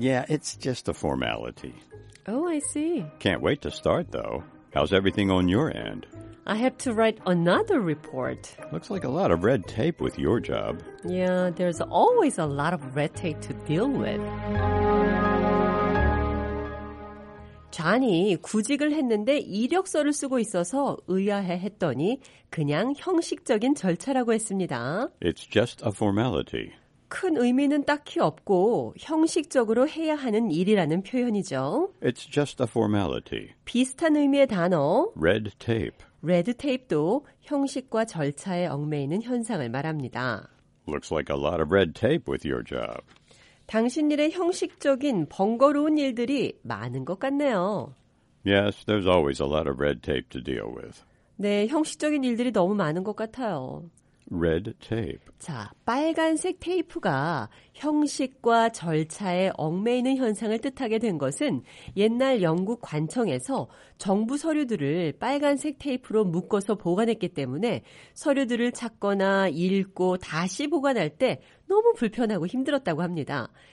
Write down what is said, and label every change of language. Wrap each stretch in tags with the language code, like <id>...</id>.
<en>Yeah, it's just a formality. Oh, I see. Can't wait to start, though. How's everything on your end? I have to write another report. Looks like a lot of red tape with your job. Yeah, there's always a lot of red tape to deal with.</en> <ko>John이 구직을 했는데 이력서를 쓰고 있어서 의아해 했더니 그냥 형식적인 절차라고 했습니다.</ko> <en>It's just a formality.</en> <ko>큰 의미는 딱히 없고 형식적으로 해야 하는 일이라는 표현이죠.</ko> <en>It's just a formality.</en> <ko>비슷한 의미의 단어</ko> <en>red tape.</en> <ko>red tape도 형식과 절차에 얽매이는 현상을 말합니다.</ko> <en>Looks like a lot of red tape with your job.</en> <ko>당신 일의 형식적인 번거로운 일들이 많은 것 같네요.</ko> <en>Yes, there's always a lot of red tape to deal with.</en> <ko>네, 형식적인 일들이 너무 많은 것 같아요.</ko> <en>Red tape.</en> <ko>자, 빨간색 테이프가 형식과 절차에 얽매이는 현상을 뜻하게 된 것은 옛날 영국 관청에서 정부 서류들을 빨간색 테이프로 묶어서 보관했기 때문에 서류들을 찾거나 읽고 다시 보관할 때 너무 불편하고 힘들었다고 합니다.</ko>